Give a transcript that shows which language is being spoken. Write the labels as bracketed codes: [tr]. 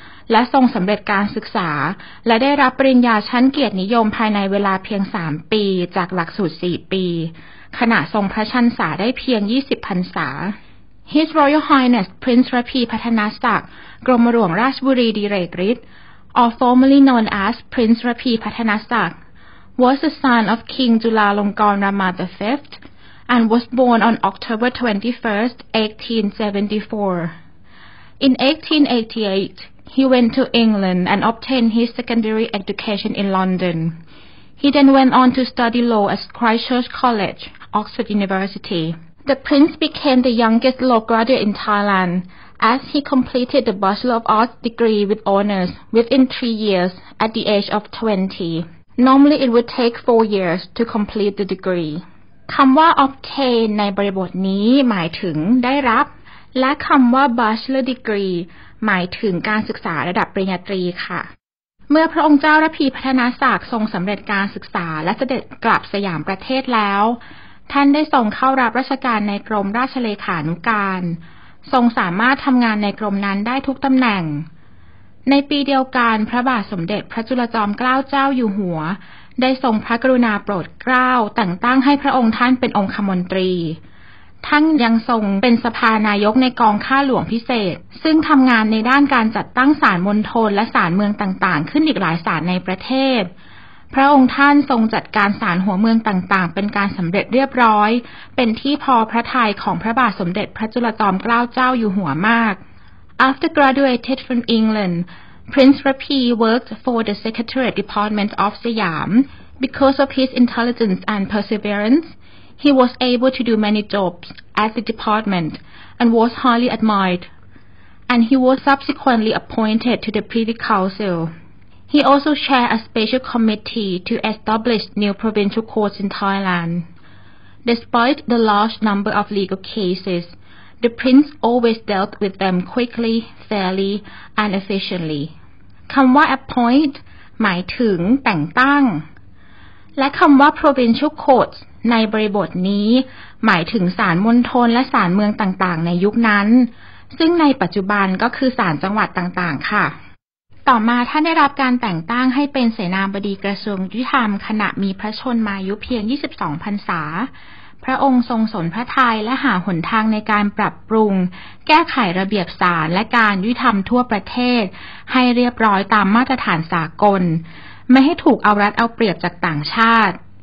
[th] และทรงสำเร็จการศึกษาและได้รับปริญญาชั้นเกียรตินิยมภายในเวลาเพียง3ปีจากหลักสูตร4ปีขณะทรงพระชนษาได้เพียง20พรรษา [en] His Royal Highness Prince Raphi Pattanasak กรมหลวงราชบุรีดิเรกฤทธิ์or formerly known as Prince Raphi Pattanasak, was the son of King Chulalongkorn Rama V and was born on October 21, 1874. In 1888, he went to England and obtained his secondary education in London. He then went on to study law at Christchurch College, Oxford University. The prince became the youngest law graduate in Thailand,as he completed the Bachelor of Arts degree with honors within 3 years at the age of 20. Normally, it would take 4 years to complete the degree. [th] คำว่า obtain ในบริบทนี้หมายถึงได้รับและคำว่า Bachelor degree หมายถึงการศึกษาระดับปริญญาตรีค่ะเมื่อพระองค์เจ้าระพีพัฒนศักดิ์ทรงสำเร็จการศึกษาและเสด็จกลับสยามประเทศแล้วท่านได้ส่งเข้ารับราชการในกรมราชเลขานุการทรงสามารถทำงานในกรมนั้นได้ทุกตำแหน่ง ในปีเดียวกันพระบาทสมเด็จพระจุลจอมเกล้าเจ้าอยู่หัวได้ทรงพระกรุณาโปรดเกล้าแต่งตั้งให้พระองค์ท่านเป็นองคมนตรี ทั้งยังทรงเป็นสภานายกในกองข้าหลวงพิเศษซึ่งทำงานในด้านการจัดตั้งศาลมณฑลและศาลเมืองต่างๆขึ้นอีกหลายศาลในประเทศพระองค์ท่านทรงจัดการศาลหัวเมืองต่างๆเป็นการสำเร็จเรียบร้อยเป็นที่พอพระทัยของพระบาทสมเด็จพระจุลจอมเกล้าเจ้าอยู่หัวมาก [en] After graduated from England, Prince Raphi worked for the Secretariat Department of Siam. Because of his intelligence and perseverance, he was able to do many jobs at the department and was highly admired. And he was subsequently appointed to the Privy Council. He also chaired a special committee to establish new provincial courts in Thailand. Despite the large number of legal cases, the prince always dealt with them quickly, fairly, and efficiently. [th] คำว่า appoint หมายถึงแต่งตั้งและคำว่า provincial courts ในบริบทนี้หมายถึงศาลมณฑลและศาลเมืองต่างๆในยุคนั้นซึ่งในปัจจุบันก็คือศาลจังหวัดต่างๆค่ะ ต่อมาท่านได้รับการแต่งตั้งให้เป็นเสนาบดีกระทรวงยุติธรรมขณะมีพระชนมายุเพียง22พรรษาพระองค์ทรงสนพระทัยและหาหนทางในการปรับปรุงแก้ไขระเบียบศาลและการยุติธรรมทั่วประเทศให้เรียบร้อยตามมาตรฐานสากลไม่ให้ถูกเอารัดเอาเปรียบจากต่างชาติ